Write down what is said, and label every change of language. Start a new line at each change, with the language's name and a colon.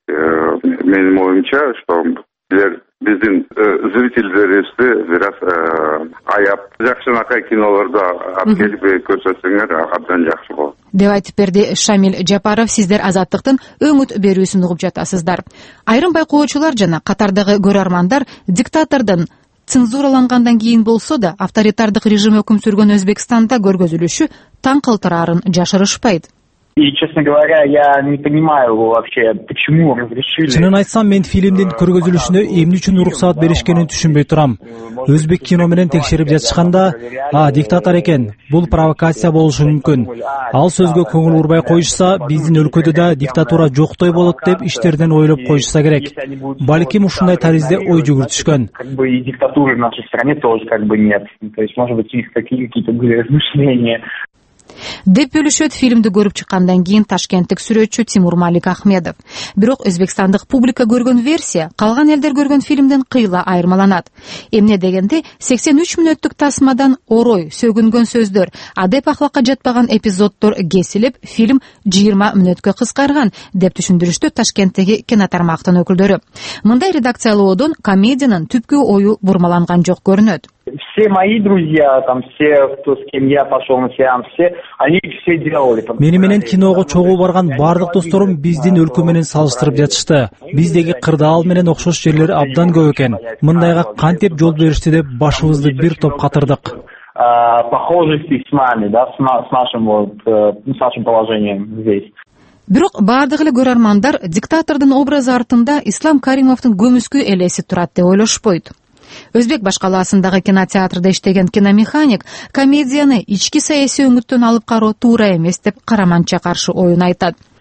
Kyrgyz: Менин оюмча, что биздин зрительдерибизди бираз аяп, жакшынакай киноларды алып келип көрсөтсөңөр абдан жакшы болот. Деп айтып берди Шамил Жапаров. Сиздер азаттыктын өңүт берүүсүн угуп жатасыздар. Айрым байкоочулар жана Катардагы көрөрмандар диктатордун
Kazakh: цензураланғандан кейін болса да, авторитардық режим
Kyrgyz: өкім сүрген Өзбекстанда көргөзүлүшү таң қалтырарын жашырышпайды.
Russian: И, честно говоря, я не понимаю вообще, почему разрешили.
Kyrgyz: Чынын айтсам, мен фильмдин көргөзүлүшүнө эмне үчүн уруксат беришкенин түшүнбөй турам. Өзбек кино менен текшерип жатышканда, а, диктатор экен, бул провокация болушу мүмкүн. Ал сөзгө көңүл урбай коюшса, биздин өлкөдө да диктатура жоктой болот деп иштерден ойлоп коюшса керек. Балким ушундай тарызды ой жүгүртүшкөн.
Russian: И диктатуры в нашей стране тоже нет. То есть, может быть, у них какие-то были размышления.
Kyrgyz: Деп бөлүшөт фильмди көрүп чыккандан кийин ташкенттик сүрөтчү Тимур Малик Ахмедов. Бирок өзбекстандык публика көргөн версия калган элдер көргөн фильмден кыйла айырмаланат. Эмне дегенде 83 мүнөттүк тасмадан орой, сөгүнгөн сөздөр, адеп ахлакка жатпаган эпизоддор кесилип, фильм 20 мүнөткө кыскарган, деп түшүндүрүштү ташкенттеги кинотармактын өкүлдөрү. Мындай редакциялоодон комедиянын түпкү ою бурмаланган жок көрүнөт.
Russian: Все мои друзья, там все, кто с кем я пошел на сеанс, все, они все делали.
Kyrgyz: Мени менен киного чогуу барган бардык досторум биздин өлкө менен салыштырып жатышты. Биздеги кырдаал менен окшош жерлери абдан көп экен. Мындайга кантип жол беришти деп башыбызды бир топ катырдык.
Russian: Похожести с нами, да, с нашим положением здесь.
Kyrgyz: Бирок бардык эле көрөрмандар диктатордун образы артында Ислам Каримовдун көмүскү элеси турат деп ойлошпойт. Өзбек башкалаасындагы кинотеатрда иштеген киномеханик комедияны ички саясий үмүттөн алып кароо туура эмес деп караманча каршы оюн айтат.